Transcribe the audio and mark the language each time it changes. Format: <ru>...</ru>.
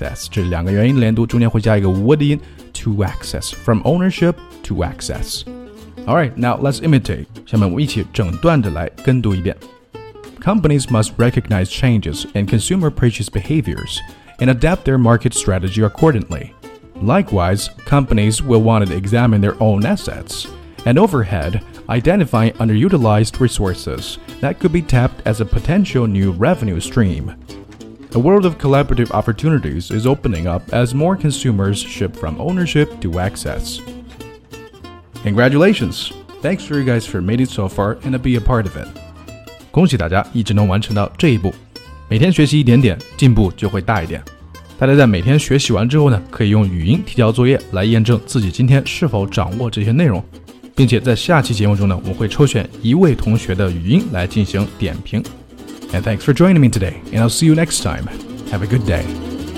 <zh>这两个元音连读，中间会加一个 wood 音。</zh> <en>To access. From ownership to access. All right, now let's imitate.</en> <zh>下面我们一起整段的来跟读一遍。</zh> <en>Companies must recognize changes in consumer purchase behaviors and adapt their market strategy accordingly. Likewise, companies will want to examine their own assets and overhead, identify underutilized resources that could be tapped as a potential new revenue stream. A world of collaborative opportunities is opening up as more consumers shift from ownership to access. Congratulations! Thanks for you guys for made it so far and to be a part of it.</en> <zh>恭喜大家一直能完成到这一步。每天学习一点点，进步就会大一点。大家在每天学习完之后呢，可以用语音提交作业来验证自己今天是否掌握这些内容，并且在下期节目中呢，我会抽选一位同学的语音来进行点评。</zh> <en>And thanks for joining me today, and I'll see you next time. Have a good day.</en>